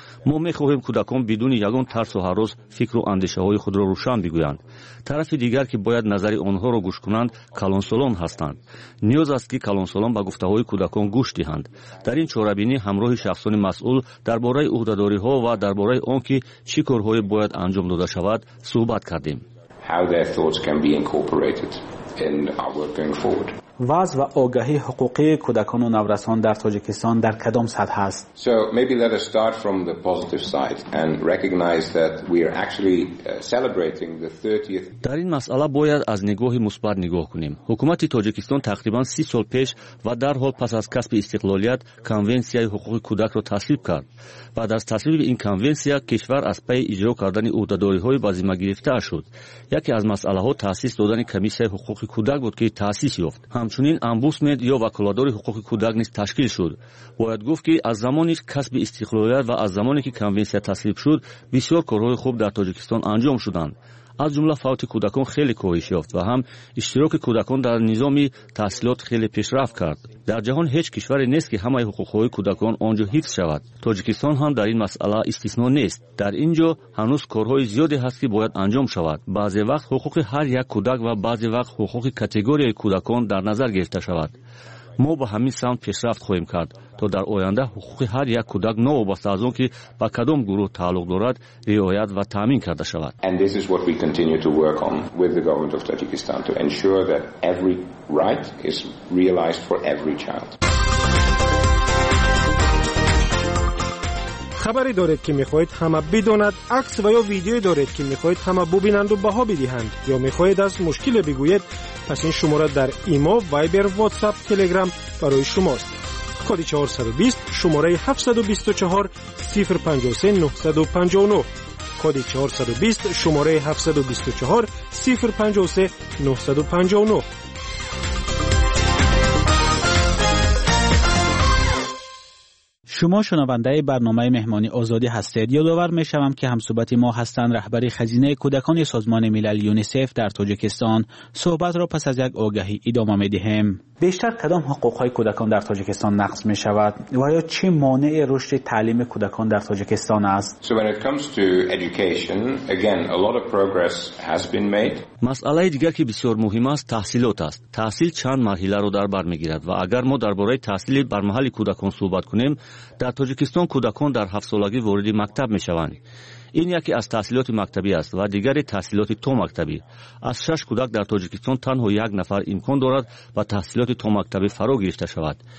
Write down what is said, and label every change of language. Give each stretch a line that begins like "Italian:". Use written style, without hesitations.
Persian: ما میخواهیم کودکان بدون یگان ترس و هراس فکر و اندیشه های خود را روشن بگویند. طرف دیگر که باید نظر آنها را گوش کنند کلانسالان هستند. نیاز است که کلانسالان به گفته های کودکان گوش دهند. در این چهارابینی همراه شخصان مسئول درباره عهده‌داری ها و درباره آن که چه کارهای باید انجام داده شود صحبت کردیم.
English: How their thoughts can be incorporated in our work going forward.
Persian: وضع و آگاهی حقوقی کودکان و نورسان در تاجیکستان در کدام سطح است؟
English: So maybe let us start from the positive side and recognize that we are actually celebrating the 30th.
Persian: در این مسئله باید از نگاه مثبت نگاه کنیم. حکومت تاجیکستان تقریبا 30 سال پیش و در حال پس از کسب استقلالیت کنونسیای حقوق کودک را تصویب کرد. بعد از تصویب این کنونسیا کشور از پی اجرا کردن عهده‌داری‌های به ذمه گرفته شد. یکی از مسائل تأسیس دادن کمیسیای حقوق کودک بود که تأسیس یافت. همچنین امبوسمند یا وکالادار حقوق کودک نیز تشکیل شد. باید گفت که از زمانی کسب استقلالیت و از زمانی که کنونسیا تصویب شد بسیار کارهای خوب در تاجیکستان انجام شدند. از جمله فوت کودکان خیلی کاهش یافت و هم اشتراک کودکان در نظام تحصیلات خیلی پیشرفت کرد. در جهان هیچ کشوری نیست که همه حقوق‌های کودکان آنجا حفظ شود. تاجیکستان هم در این مسئله استثنا نیست. در اینجا هنوز کارهای زیادی هست که باید انجام شود. بعضی وقت حقوق هر یک کودک و بعضی وقت حقوق کاتگوری کودکان در نظر گرفته شود. ما به همین سمت پیشرفت خواهیم کرد تا در آینده حقوق هر یک کودک نوابسته از اون که به کدام گروه تعلق دارد رعایت و تامین کرده شود.
English: And this is what we continue to work on with the government of Tajikistan to ensure that every right is realized for every child.
Persian: خبری دارید که میخواهید همه بدانند، عکس و یا ویدیو دارید که میخواهید همه ببینند و بها بدهند، یا میخواهید از مشکل بگویید، پس این شماره در ایمو، وایبر، واتساپ، تلگرام برای شماست. کد 420 شماره 724 053 959. کد 420 شماره 724 053 959. شما شنونده برنامه مهمانی آزادی هستید. یادآور میشوم که همصحبت ما هستند رهبری خزینه کودکان سازمان ملل یونیسف در تاجیکستان. صحبت را پس از یک آگهی ادامه میدهیم. بیشتر کدام حقوقهای کودکان در تاجیکستان نقص میشود و یا چه مانع رشد تعلیم کودکان در تاجیکستان است؟
English: So when it comes to education, again, a lot of progress has been made.
Persian: مسئله دیگر که بسیار مهم است تحصیلات است. تحصیل چند مرحله را در بر میگیرد و اگر ما درباره تحصیل بر محل کودکان صحبت کنیم، در تاجیکستان کودکان در 7 سالگی وارد مکتب میشوند. این یکی از تحصیلات مکتبی است و دیگری تحصیلات تو مکتبی. از 6 کودک در تاجیکستان تنها یک نفر امکان دارد و تحصیلات تو مکتبی فرا گرفته شود.